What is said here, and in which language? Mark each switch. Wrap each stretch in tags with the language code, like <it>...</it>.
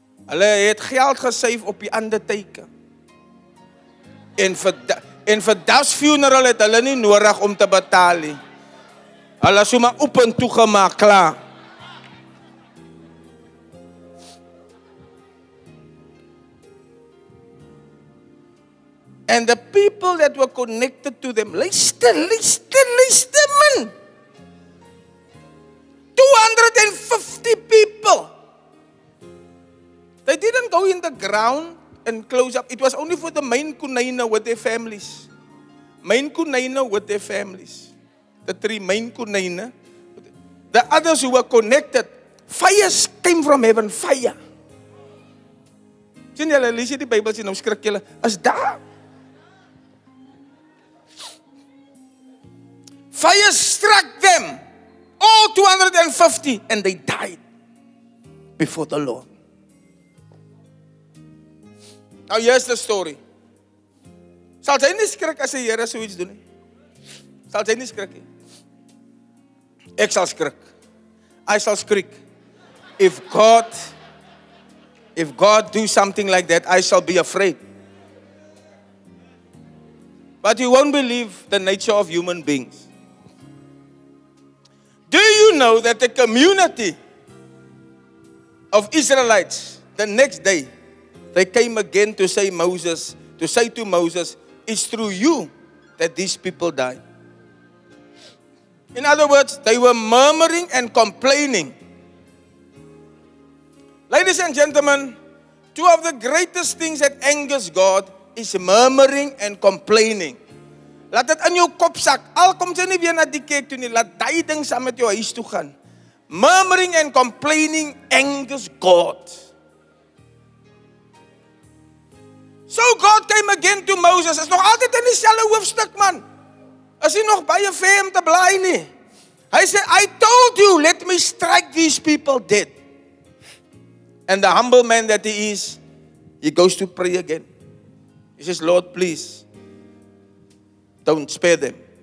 <af>Hulle het geld gesave op die ander teken. En vir das funeral het hulle nie nodig om te betaal nie. Hulle is maar op en toegemaak, klaar.</af> <en>And the people that were connected to them, listen, man. 250 people. They didn't go in the ground and close up. It was only for the main kunaina with their families. Main kunaina with their families. The three main kunaina. The others who were connected, fires came from heaven, fire.</en> <af>Sien julle, lees jy die Bybel, sien, nou skrik julle. As daar.</af> <en>Fire struck them, all 250, and they died before the Lord. Now here's the story.</en> <af>Sal jy nie skrik as die Here so iets doen nie? Sal jy nie skrik nie? Ek sal skrik. I sal skrik.</af> <en>If God do something like that, I shall be afraid. But you won't believe the nature of human beings. Do you know that the community of Israelites, the next day, they came again to say Moses, to say to Moses, it's through you that these people die. In other words, they were murmuring and complaining. Ladies and gentlemen, two of the greatest things that angers God is murmuring and complaining.</en> <af>Laat dit in jou kop sak. Al kom jy nie weer na die kerk toe nie. Laat daai ding saam met jou huis toe gaan.</af> <en>Murmuring and complaining angers God.</en> <af>So God came again to Moses. Is nog altyd in dieselfde hoofstuk, man. Is hy nog baie ver om te bly nie? Hy sê,</af> <en>I told you, let me strike these people dead. And the humble man that he is, he goes to pray again. He says, Lord, please, don't spare them.</en>